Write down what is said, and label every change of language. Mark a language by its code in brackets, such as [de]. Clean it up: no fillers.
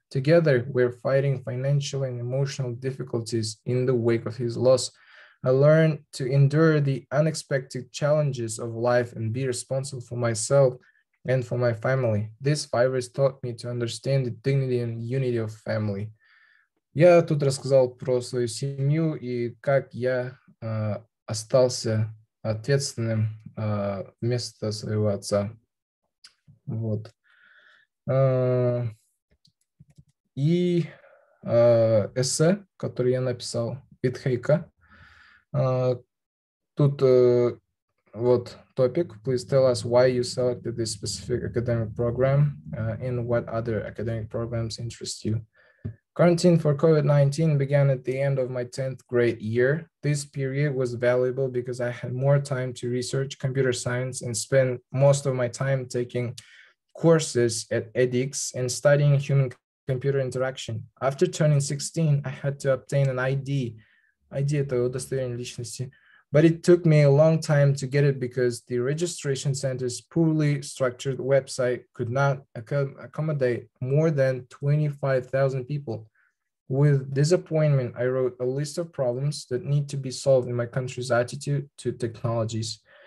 [en] Together, we're fighting financial and emotional difficulties in the wake of his loss. I learned to endure the unexpected challenges of life and be responsible for myself and for my family. This virus taught me to understand the dignity and unity of family. [ru] Я тут рассказал про свою семью и как я остался ответственным вместо своего отца. Вот. И эссе, которое я написал, Питхейка. Тут вот topic. [en] Please tell us why you selected this specific academic program and what other academic programs interest you. Quarantine for COVID-19 began at the end of my 10th grade year. This period was valuable because I had more time to research computer science and spend most of my time taking courses at edX and studying human-computer interaction. After turning 16, I had to obtain an ID. [ru] ID – это удостоверение личности. [en] But it took me a long time to get it because the registration center's poorly structured website could not accommodate more than 25,000 people. With disappointment, I wrote a list of problems that need to be solved in my country's attitude to technologies.